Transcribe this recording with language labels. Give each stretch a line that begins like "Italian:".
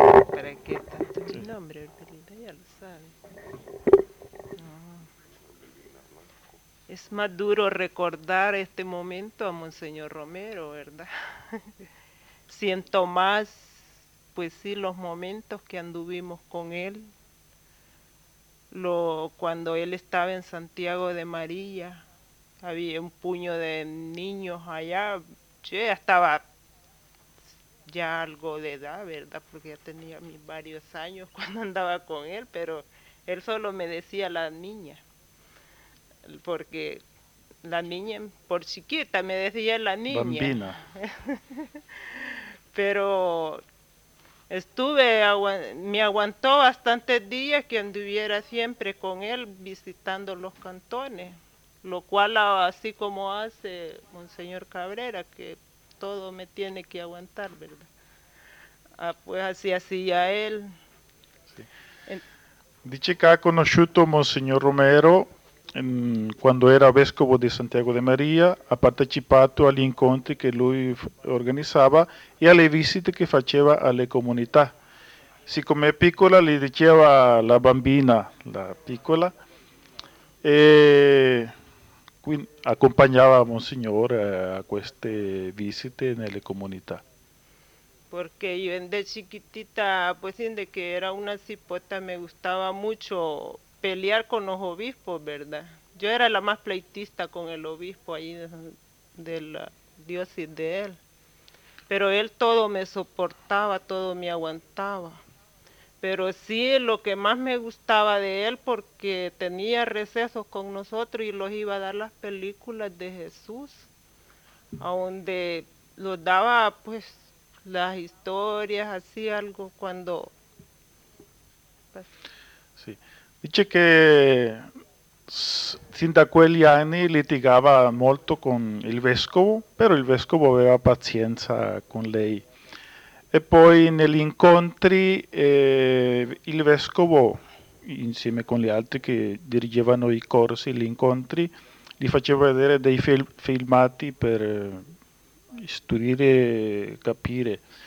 Italian: Perché tanto il nome del Pelina, io lo sai.
Spanish: Es más duro recordar este momento a Monseñor Romero, ¿verdad? Siento más, pues sí, los momentos que anduvimos con él. Cuando él estaba en Santiago de María, había un puño de niños allá. Yo ya estaba ya algo de edad, ¿verdad? Porque ya tenía mis varios años cuando andaba con él, pero él solo me decía la niña, porque la niña, por chiquita, me decía la niña.
Italian: Bambina.
Spanish: Pero estuve, me aguantó bastantes días que anduviera siempre con él visitando los cantones, lo cual así como hace Monseñor Cabrera, que todo me tiene que aguantar, ¿verdad? Ah, pues así hacía él. Sí. Dice que ha conocido Monseñor Romero cuando era
Italian: vescovo de Santiago de María, ha partecipato agli incontri che lui organizzava e alle visite che faceva alle comunità. Siccome è piccola, le diceva la bambina, la piccola, e quindi accompagnava Monsignore a queste visite nelle comunità.
Spanish: Porque yo de chiquitita, pues desde que era una cipota, me gustaba mucho pelear con los obispos, ¿verdad? Yo era la más pleitista con el obispo ahí de la diócesis de él. Pero él todo me soportaba, todo me aguantaba. Pero sí, lo que más me gustaba de él, porque tenía recesos con nosotros y los iba a dar las películas de Jesús, a donde los daba, pues, las historias, así algo, cuando... Pues, sí.
Italian: Dice che sin da quegli anni litigava molto con il vescovo, però il vescovo aveva pazienza con lei. E poi negli incontri il vescovo, insieme con gli altri che dirigevano i corsi, gli incontri, gli faceva vedere dei filmati per studiare e capire.